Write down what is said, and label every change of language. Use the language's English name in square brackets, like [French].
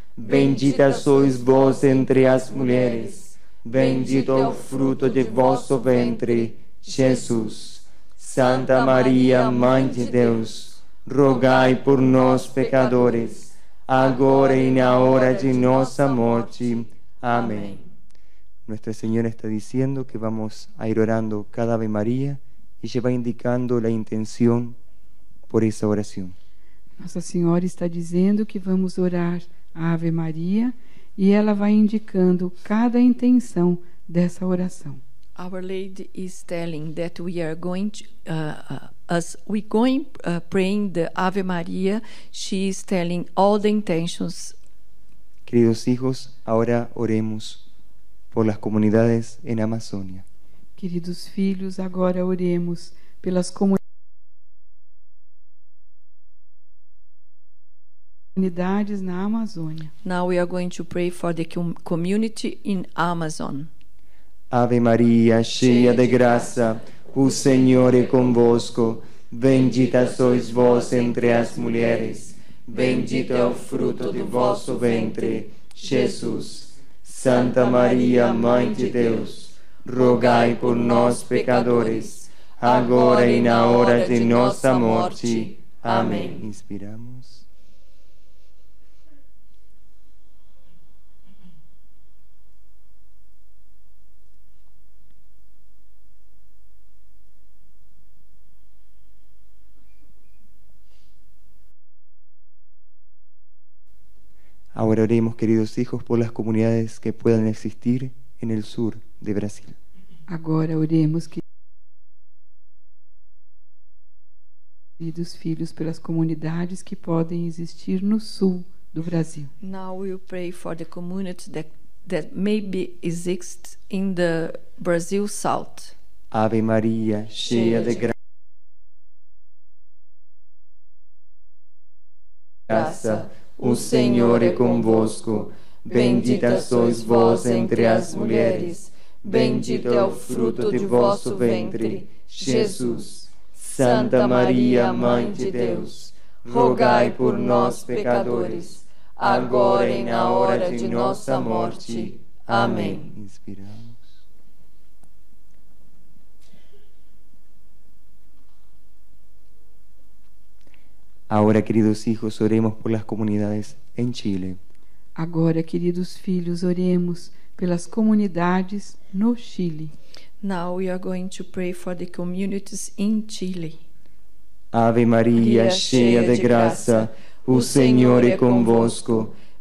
[Portuguese] Bendita sois vós entre as mulheres. Bendito é o fruto de vosso ventre, Jesus. Santa María, Mãe de Deus, rogai por nós, pecadores, agora e na hora de nossa morte. Amém. [Spanish] Nuestra Señora está diciendo que vamos a ir orando cada Ave María y lleva indicando la intención por esa oración. Nuestra Señora está diciendo que vamos a orar a Ave María y ella va indicando cada intención de esa oración. [English] Our Lady is telling that we are going to, as we going praying the Ave María, she is telling all the intentions. [Spanish] Queridos hijos, ahora oremos por las comunidades en Amazonia. [Portuguese] Queridos filhos, agora oremos pelas comunidades na Amazônia. [English] Now we are going to pray for the community in Amazon. [Portuguese] Ave Maria, cheia de graça, o Senhor é convosco, bendita sois vós entre as mulheres, bendito é o fruto do vosso ventre, Jesus. Santa Maria, Mãe de Deus, rogai por nós, pecadores, agora e na hora de nossa morte. Amém. Inspiramos. [Spanish] Ahora oremos, queridos hijos, por las comunidades que puedan existir en el sur de Brasil. [Portuguese] Agora oremos, queridos filhos, pelas comunidades que podem existir no sul do Brasil. [English] Now we pray for the communities that maybe exist in the Brazil south. [Portuguese] Ave Maria, cheia de graça. O Senhor é convosco, bendita sois vós entre as mulheres, bendito é o fruto de vosso ventre, Jesus. Santa Maria, Mãe de Deus, rogai por nós, pecadores, agora e na hora de nossa morte. Amém. Inspiramos. [Spanish] Ahora, queridos hijos, oremos por las comunidades en Chile. [Portuguese] Agora, queridos filhos, oremos pelas comunidades no Chile. [English] Now we are going to pray for the communities in Chile. [Portuguese] Ave Maria, cheia de graça, o Senhor é convosco.